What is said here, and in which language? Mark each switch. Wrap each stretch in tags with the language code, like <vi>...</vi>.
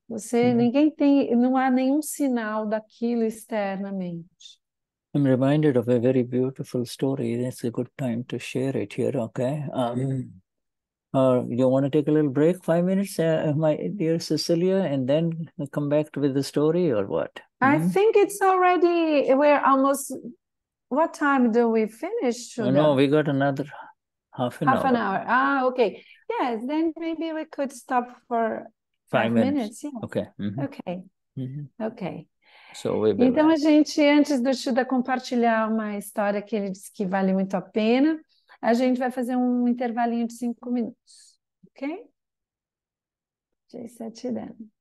<pt>Você, ninguém tem, não há nenhum sinal daquilo externamente.</pt> <en>I'm reminded of a very beautiful story. It's a good time to share it here, okay? You want to take a little break, 5 minutes, my dear Cecilia, and then come back with the story or what? I think it's already, we're almost, what time do we finish? No, we got another half an hour. Ah, okay. Yes, then maybe we could stop for five minutes. Yeah. Okay. Okay. Okay. So we'll</en> <pt>então, a gente, antes do Shuddha compartilhar uma história que ele disse que vale muito a pena, a gente vai fazer um intervalinho de 5 minutos, ok? Já está te dando.</pt>